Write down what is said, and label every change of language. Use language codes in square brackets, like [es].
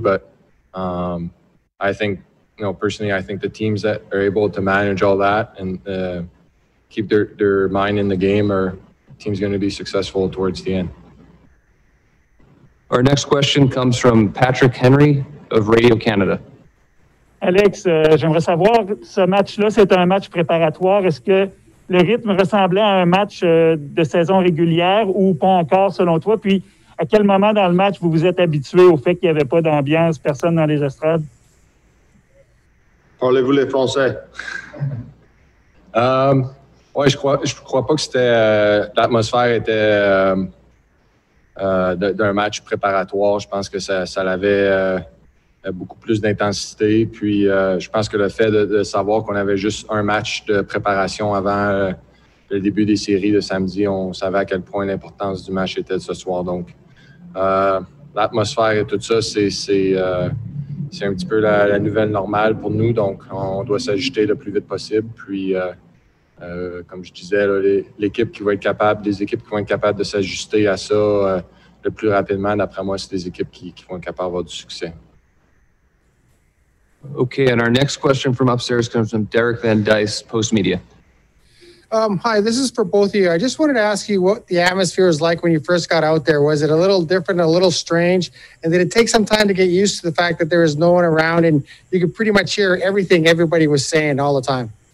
[en] But I think, personally, I think the teams that are able to manage all that and keep their mind in the game are teams going to be successful towards the end. Our next question comes from Patrick Henry of Radio Canada. [fr] Alex, j'aimerais savoir, ce match-là, c'est un match préparatoire. Est-ce que le rythme ressemblait à un match de saison régulière ou pas encore, selon toi? Puis, à quel moment dans le match vous vous êtes habitué au fait qu'il n'y avait pas d'ambiance, personne dans les estrades? Parlez-vous les Français? Ouais, je crois pas que c'était l'atmosphère était... d'un match préparatoire, je pense que ça l'avait beaucoup plus d'intensité. Puis je pense que le fait de savoir qu'on avait juste un match de préparation avant le début des séries de samedi, on savait à quel point l'importance du match était de ce soir. Donc l'atmosphère et tout ça, c'est un petit peu la nouvelle normale pour nous. Donc on doit s'ajuster le plus vite possible. Puis comme je disais, là, les équipes qui vont être capables de s'ajuster à ça le plus rapidement, d'après moi, c'est des équipes qui vont être capables d'avoir du succès. [en] OK, and our next question from upstairs comes from Derek Van Dice, Post Media. Hi, this is for both of you. I just wanted to ask you what the atmosphere was like when you first got out there. Was it a little different, a little strange? And did it take some time to get used to the fact that there was no one around and you could pretty much hear everything everybody was saying all the time?